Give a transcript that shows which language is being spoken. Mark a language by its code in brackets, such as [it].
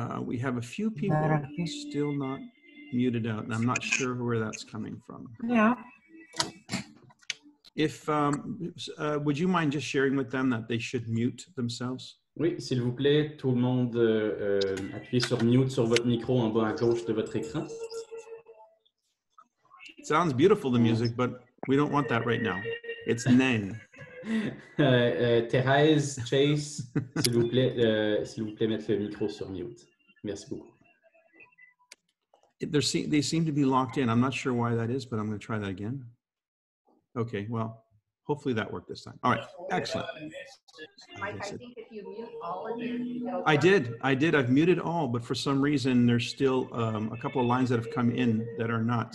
[en] We have a few people still not muted out, and I'm not sure where that's coming from. Yeah. If would you mind just sharing with them that they should mute themselves? [fr] Oui, s'il vous plaît, tout le monde appuyez sur mute sur votre micro en bas à gauche de votre écran. [en] Sounds beautiful, the music, but we don't want that right now. It's Nen. [fr] Thérèse, Chase, s'il vous plaît, mettre le micro sur mute. Merci beaucoup. [en] They seem to be locked in. I'm not sure why that is, but I'm going to try that again. Okay, well, hopefully that worked this time. All right, excellent. Mike, I think if you mute all of you, I did. I've muted all, but for some reason, there's still a couple of lines that have come in that are not.